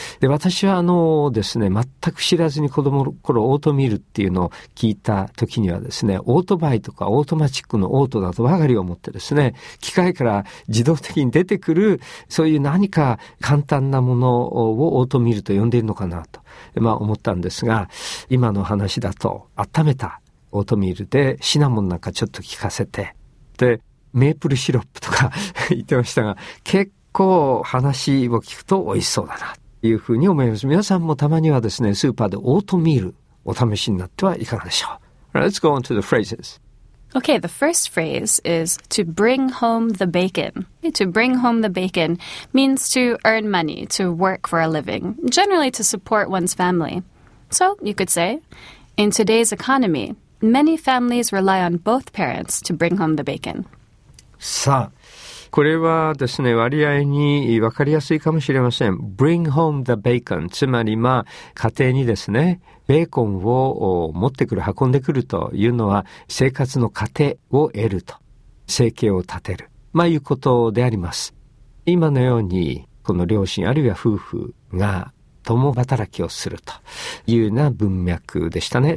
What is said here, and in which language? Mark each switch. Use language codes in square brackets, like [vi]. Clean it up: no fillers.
[ja] で、私はあのですね、全く知らずに子供の頃オートミールっていうのを聞いた時にはですね、オートバイとかオートマチックのオートだとばかり思ってですね、機械から自動的に出てくる、そういう何か簡単なものをオートミールと呼んでいるのかなと、まあ思ったんですが、今の話だと温めたオートミールでシナモンなんかちょっと効かせて、で、メープルシロップとか言ってましたが、結構構話を聞くと美味しそうだなというふうに思います。皆さんもたまにはですね、スーパーでオートミールお試しになってはいかがでしょう。 [en] Let's go on to the phrases. Okay, the first phrase is to bring home the bacon. To bring home the bacon means to earn money, to work for a living, generally to support one's family. So you could say, in today's economy, many families rely on both parents to bring home the bacon. [ja] さあ、これはですね、割合に分かりやすいかもしれません。 [en] Bring home the bacon。 [ja] つまり、まあ、家庭にですね、ベーコンを持ってくる、運んでくるというのは、生活の糧を得ると。生計を立てる。まあ、いうことであります。今のように、この両親あるいは夫婦が共働きをするというような文脈でしたね。